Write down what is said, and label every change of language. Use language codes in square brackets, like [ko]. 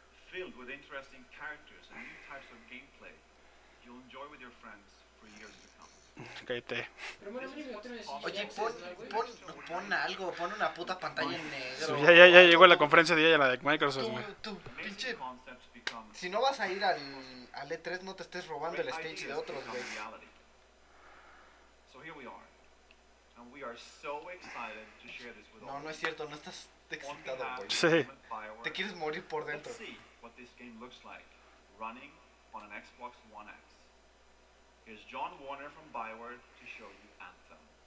[en] Filled with interesting characters and new types of gameplay, you'll enjoy with your friends for years to come. [es] Cállate. Oye, pon algo, pon una puta pantalla en negro. Ya llegó la conferencia de ella, la de Microsoft, güey. Tú, pinche. Si no vas a ir al E3, no te estés robando el stage de otros, güey. [en] here we are. And we are so excited to share this with no, all [es] no es cierto, no estás excitado, güey. Sí. Te quieres morir por dentro. [en] Let's see what this game looks like running on an Xbox One X. Here's John Warner from Bioware to show you Anthem.